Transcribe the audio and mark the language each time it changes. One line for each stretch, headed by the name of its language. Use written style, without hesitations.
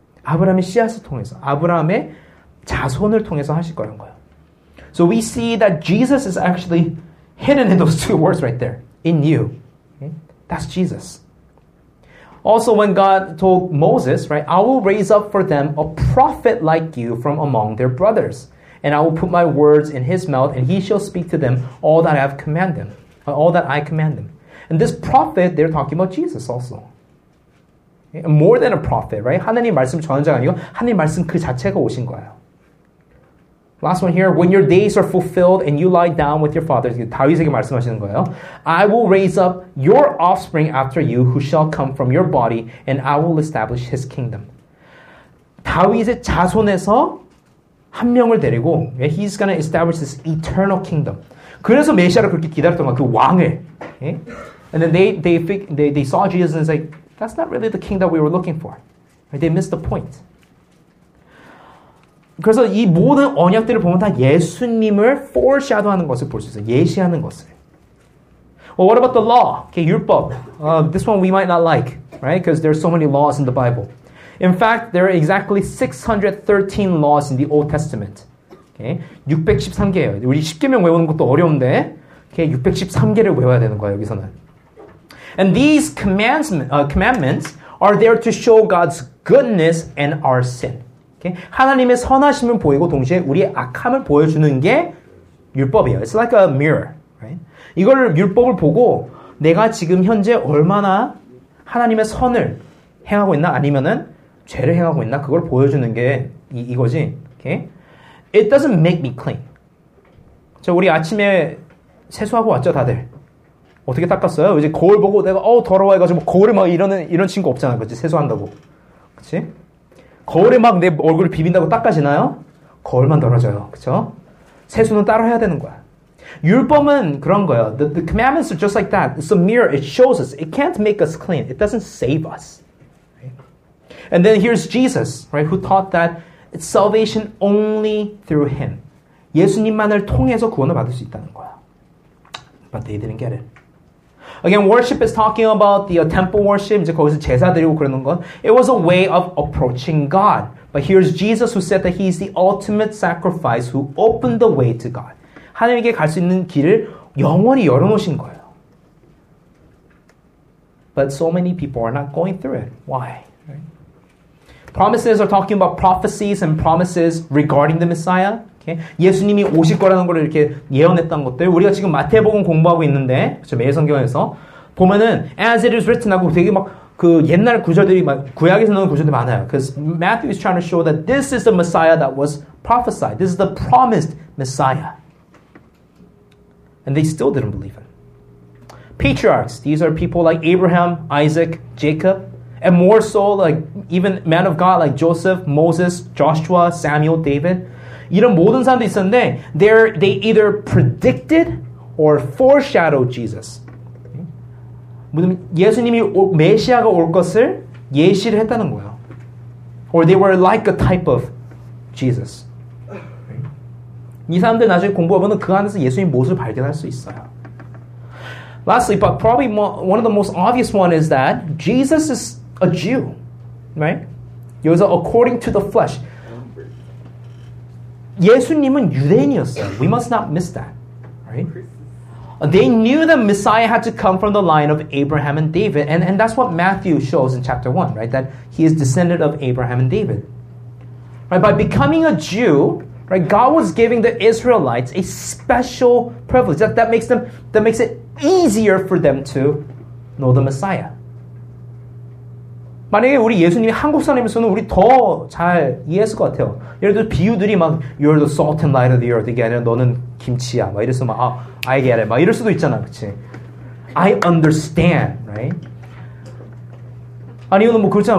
Korean: 아브라함의 씨앗을 통해서, 아브라함의 자손을 통해서 하실 거라는 거예요.
English: So we see that Jesus is actually hidden in those two words right there. In you. That's Jesus. Also, when God told Moses, right, "I will raise up for them a prophet like you from among their brothers, and I will put my words in his mouth, and he shall speak to them all that I have commanded them, all that I command them." And this prophet, they're talking about Jesus also. Okay? More than a prophet, right?
Korean: 하나님 말씀 전하는 자가 아니고 하나님 말씀 그 자체가 오신 거예요.
English: Last one here. "When your days are fulfilled and you lie down with your fathers,"
Korean: 다윗에게 말씀하시는 거예요.
English: "I will raise up your offspring after you who shall come from your body and I will establish his kingdom."
Korean: 다윗의 자손에서 한 명을 데리고
English: he's going to establish this eternal kingdom.
Korean: 그래서 메시아를 그렇게 기다렸던 거야. 그 왕을.
English: Okay? And then they saw Jesus and said, like, "That's not really the king that we were looking for." They missed the point.
Korean: 그래서 이 모든 언약들을 보면 다 예수님을 foreshadow하는 것을 볼 수 있어요. 예시하는 것을.
English: Well, what about the law? Okay, 율법. This one we might not like, right? Because there are so many laws in the Bible. In fact, there are exactly 613 laws in the Old Testament. Okay,
Korean: 613개예요. 우리 10개명 외우는 것도 어려운데 613개를 외워야 되는 거야, 여기서는.
English: And these commandments are there to show God's goodness and our sin. Okay?
Korean: 하나님의 선하심을 보이고 동시에 우리의 악함을 보여주는 게 율법이에요.
English: It's like a mirror, right?
Korean: 이걸 율법을 보고 내가 지금 현재 얼마나 하나님의 선을 행하고 있나 아니면은 죄를 행하고 있나 그걸 보여주는 게 이거지.
English: Okay? It doesn't make me clean.
Korean: 저 우리 아침에 세수하고 왔죠, 다들. 어떻게 닦았어요? 이제 거울 보고 내가 더러워 해가지고 거울에 막 이런 친구 없잖아, 그렇지? 세수한다고, 그렇지? 거울에 막 내 얼굴을 비빈다고 닦아지나요? 거울만 더러워져요, 그렇죠? 세수는 따로 해야 되는 거야. 율법은 그런 거예요.
English: The commandments are just like that. It's a mirror. It shows us. It can't make us clean. It doesn't save us. And then here's Jesus, right? Who taught that it's salvation only through Him.
Korean: 예수님만을 통해서 구원을 받을 수 있다는 거야.
English: But they didn't get it. Again, worship is talking about the temple worship.
Korean: 이제 거기서 제사 드리고 그러는 건.
English: It was a way of approaching God. But here's Jesus who said that He's the ultimate sacrifice who opened the way to God.
Korean: 하나님께 갈 수 있는 길을 영원히 열어놓으신 거예요.
English: But so many people are not going through it. Why? Promises are talking about prophecies and promises regarding the Messiah. Okay.
Korean: 예수님이 오실 거라는 걸 이렇게 예언했던 것들. 우리가 지금 마태복음 공부하고 있는데, 그쵸, 매일성경에서. 보면은,
English: as it is written
Korean: 하고 되게 막 그 옛날 구절들이 막 구약에서 나오는 구절들이 많아요.
English: Because Matthew is trying to show that this is the Messiah that was prophesied. This is the promised Messiah. And they still didn't believe it. Patriarchs. These are people like Abraham, Isaac, Jacob. And more so, like, even men of God like Joseph, Moses, Joshua, Samuel, David.
Korean: 이런 모든 사람도 있었는데,
English: they either predicted or foreshadowed Jesus.
Korean: 예수님이 메시아가 올 것을 예시를 했다는 거예요.
English: Or they were like a type of Jesus.
Korean: 이 사람들 나중에 공부하면 그 안에서 예수님 모습을 발견할 수 있어요.
English: Lastly, but probably one of the most obvious one is that Jesus is a Jew, right?
Korean: 여기서
English: according to the flesh.
Korean: 예수님은 유대인이었어요.
English: We must not miss that, right? They knew the Messiah had to come from the line of Abraham and David, and that's what Matthew shows in chapter 1, right? That he is descended of Abraham and David. Right? By becoming a Jew, right, God was giving the Israelites a special privilege. That makes it easier for them to know the Messiah.
Korean: 만약에 우리 예수님이 한국 사람이면서는 우리 더 잘 이해했을 것 같아요. 예를 들어 비유들이 막
English: You're the salt and light of the earth.
Korean: 이게 아니라 너는 김치야. 막 이래서 막
English: I get it.
Korean: 막 이럴 수도 있잖아. 그치?
English: I understand. Right?
Korean: 아니면 뭐 그렇잖아.